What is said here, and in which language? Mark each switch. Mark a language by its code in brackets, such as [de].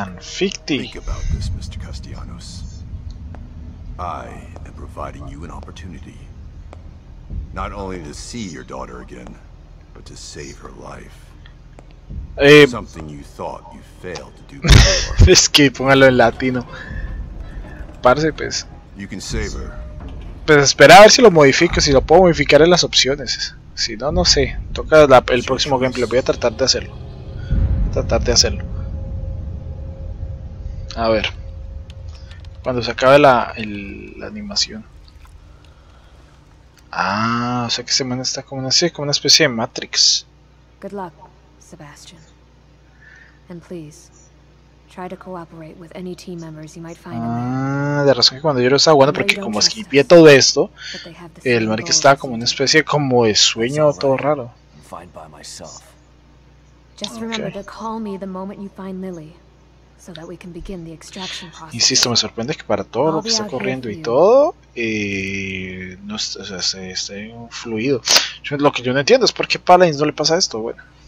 [en] Jonathan, ficti. Think about this, Mr. Castellanos. I am providing you an opportunity. Not only to see your daughter again, but to save her life. Something you thought you failed to do before. [es] Es que póngalo en latino. Parce, pues. [en] You can save her. [es] Pues espera a ver si lo modifico, si lo puedo modificar en las opciones. Si no, no sé. Toca la, el próximo gameplay. Voy a tratar de hacerlo. A ver. Cuando se acabe la, el, la animación. Ah, o sea que ese man está como una, sí, como una especie de Matrix. [en] Good luck, Sebastian. And please try to cooperate with any team members you might find. [es] Ah, de razón que cuando yo lo estaba jugando, porque como esquipié todo esto, el man que estaba como una especie como de sueño todo raro. [en] Just remember to call me the moment you find Lily, so that we can begin the extraction process. [es] Insisto, me sorprende que para todo lo que está corriendo y todo, no, o sea, esté fluido. Yo, lo que yo no entiendo es por qué Paladins no le pasa esto, bueno.